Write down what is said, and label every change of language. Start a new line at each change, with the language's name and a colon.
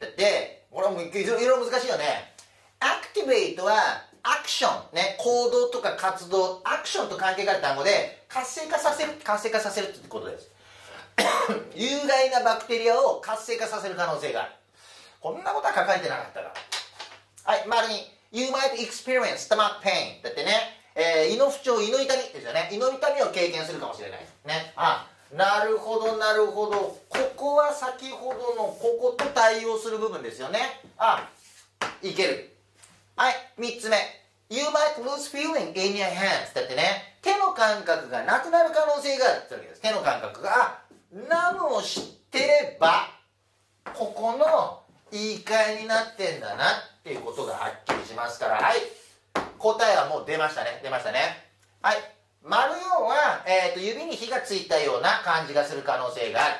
Japanese: だって、これもいろいろ難しいよね。Activate は、アクション。ね、行動とか活動。アクションと関係がある単語で、活性化させるってことです。有害なバクテリアを活性化させる可能性がある。こんなことは書かれてなかったら。はい、丸に。
English: You might experience stomach pain.
Japanese: だってね、胃の不調、胃の痛みですよね。胃の痛みを経験するかもしれない。ね。あ、なるほど、なるほど。ここは先ほどの、ここと対応する部分ですよね。あ、いける。はい、三つ目。
English: You might lose feeling in your hands.
Japanese: だってね、手の感覚がなくなる可能性があるってわけです。手の感覚が、ナムを知ってれば、ここの言い換えになってんだなっていうことがはっきりしますから、はい。答えはもう出ましたね。出ましたね。はい。丸四は、指に火がついたような感じがする可能性がある。